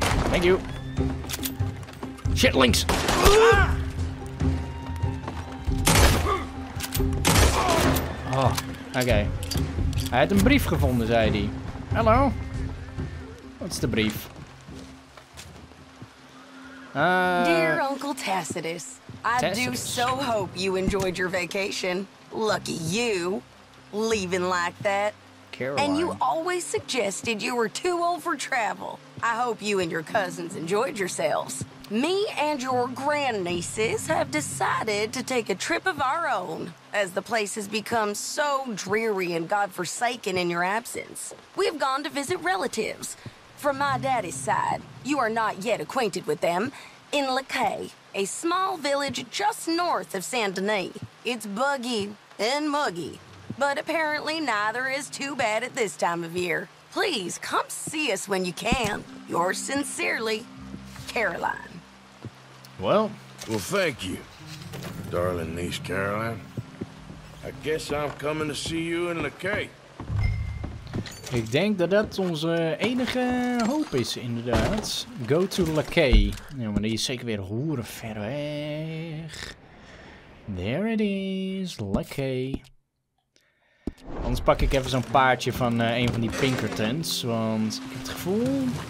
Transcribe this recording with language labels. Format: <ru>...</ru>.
<en>Thank you. Shit, links. Oh, oké. Okay.</en> <nl>Hij had een brief gevonden, zei hij. Hallo? Wat is de brief?</nl> <en>Dear Uncle Tacitus, I do so hope you enjoyed your vacation. Lucky you, leaving like that. Caroline. And you always suggested you were too old for travel. I hope you and your cousins enjoyed yourselves. Me and your grandnieces have decided to take a trip of our own, as the place has become so dreary and godforsaken in your absence. We have gone to visit relatives. From my daddy's side, you are not yet acquainted with them, in Lacay, a small village just north of Saint-Denis. It's buggy and muggy. But apparently neither is too bad at this time of year. Please come see us when you can. Yours sincerely, Caroline. Well, thank you, darling niece Caroline. I guess I'm coming to see you in Lacay.</en> <nl>Ik denk dat dat onze enige hoop is, inderdaad.</nl> <en>Go to Lacay.</en> <nl>Ja, maar die is zeker weer hoeren ver weg.</nl> <en>There it is, Lacay.</en> <nl>Anders pak ik even zo'n paardje van een van die Pinkertons, want ik heb het gevoel...</nl>